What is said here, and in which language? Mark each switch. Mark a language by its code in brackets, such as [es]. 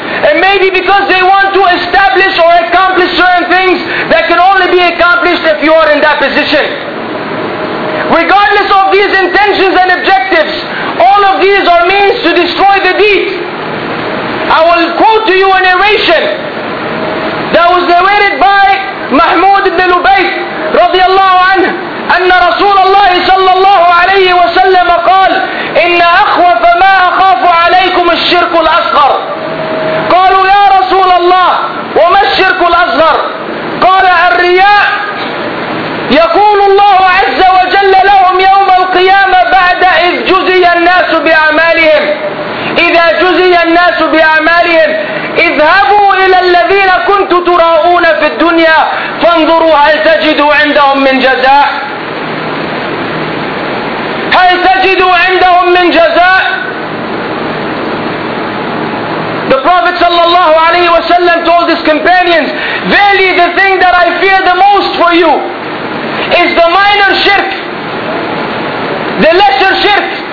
[en] And maybe because they want to establish or accomplish certain things that can only be accomplished if you are in that position. Regardless of these intentions and objectives, all of these are means to destroy the deed. I will quote to you a narration that was narrated by Mahmud ibn Lubayt radiallahu anhu. [ar] أن رسول الله صلى الله عليه وسلم قال إن أخوف ما أخاف عليكم الشرك الأصغر. قالوا يا رسول الله وما الشرك الأصغر؟ قال الرياء. يقول الله عز وجل لهم يوم القيامة بعد إذ جزي الناس بأعمالهم. إذا جزي الناس بأعمالهم اذهبوا إلى الذين كنت تراؤون في الدنيا فانظروا هل تجدوا عندهم من جزاء. هل تجدوا عندهم من جزاء؟ [en] The Prophet sallallahu alayhi wa sallam told his companions, verily the thing that I fear the most for you is the minor shirk, the lesser shirk.